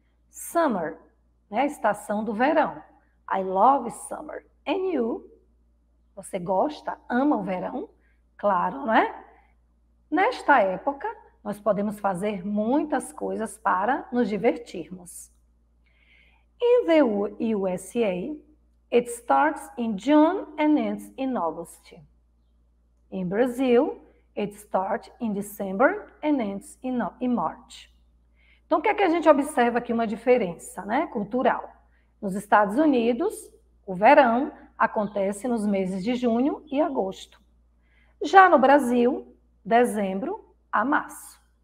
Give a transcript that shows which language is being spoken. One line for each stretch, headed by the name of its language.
Portuguese: Summer, né, estação do verão.
English: I love summer. And you?
Portuguese: Você gosta? Ama o verão? Claro, não é? Nesta época, nós podemos fazer muitas coisas para nos divertirmos.
English: In the USA, it starts in June and ends in August. In Brazil, it starts in December and ends in March.
Portuguese: Então, o que é que a gente observa aqui uma diferença, né, cultural? Nos Estados Unidos, o verão acontece nos meses de junho e agosto. Já no Brasil, dezembro a março.